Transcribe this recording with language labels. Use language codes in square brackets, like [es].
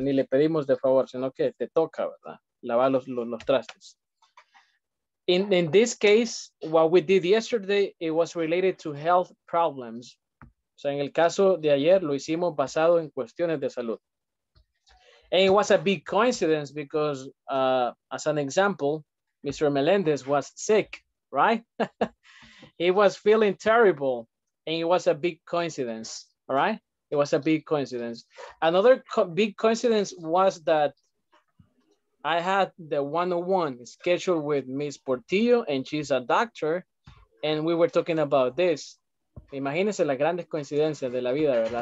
[es] Ni le pedimos de favor, sino que te toca, ¿verdad? Lavar los trastes. [en] In this case, what we did yesterday, it was related to health problems. [es] O sea, en el caso de ayer, lo hicimos basado en cuestiones de salud. [en] And it was a big coincidence because, as an example, Mr. Melendez was sick, right? He was feeling terrible, and it was a big coincidence, all right? It was a big coincidence. Another big coincidence was that I had the one-on-one scheduled with Ms. Portillo, and she's a doctor, and we were talking about this. [es] Imagínense las grandes coincidencias de la vida, ¿verdad?